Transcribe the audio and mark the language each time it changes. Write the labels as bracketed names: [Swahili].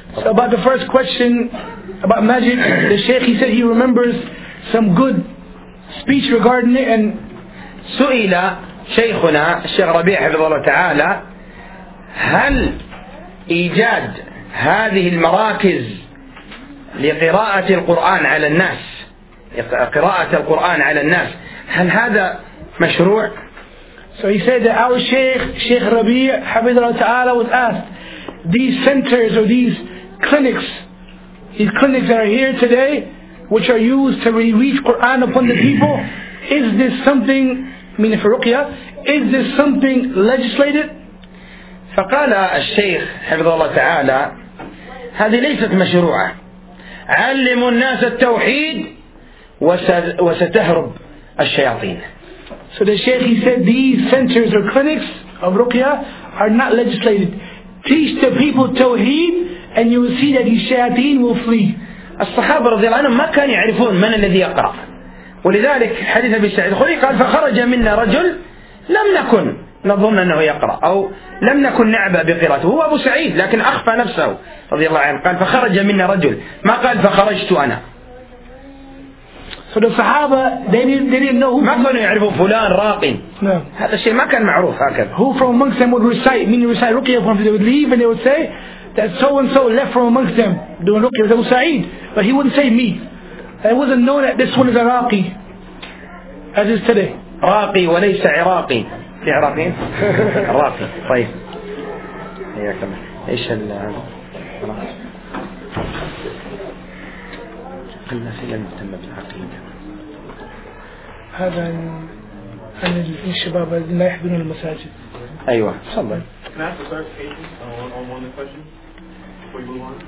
[English] So about the first question about magic, the Sheikh he said he remembers some good speech regarding it. And [Arabic] سئل شيخنا الشيخ ربيع حفظ الله تعالى هل إيجاد هذه المراكز لقراءة القرآن على الناس، قراءة القرآن على الناس، هل هذا مشروع؟ [English] So he said that our Sheikh, Sheikh Rabi' [Arabic] حفظه الله تعالى, [English] was asked, these centers or these clinics that are here today, which are used to reach Quran upon the people, is this something, meaning for ruqya, is this something legislated? [Arabic] فقال الشيخ حفظه الله تعالى هذه ليست مشروعة، علموا الناس التوحيد وستهرب الشياطين. [English] So the Sheikh he said these centers or clinics of ruqya are not legislated. Teach the people tawheed and you will see that these shayateen will flee. [Arabic] الصحابة رضي الله عنهم ما كانوا يعرفون من الذي يقرأ، ولذلك حديث أبي سعيد الخدري قال فخرج منا رجل لم نكن نظن أنه يقرأ أو لم نكن نعبى بقراءته، هو أبو سعيد لكن أخفى نفسه رضي الله عنه، قال فخرج منا رجل، ما قال فخرجت أنا. [English] So the Sahaba they didn't know who. [Arabic] ما كانوا يعرفون فلان راقي. [English] No. [Arabic] هذا الشيء ما كان معروف هكذا. [English] Who from amongst them would recite, meaning recite ruqya from them, they would leave and they would say that so and so left from amongst them doing ruqya was Abu Sa'id, but he wouldn't say me. It wasn't known that this one is a raqi as is today. [Arabic] راقي وليس عراقي. في عراقيين عراقي. طيب هيا كمان ايش ال قلنا فيها المهتمة بالعقيدة هذا عن الشباب الذين لا يحضرون المساجد. ايوه صلى الله. [English] Can I ask a clarification on one of the questions before you move on?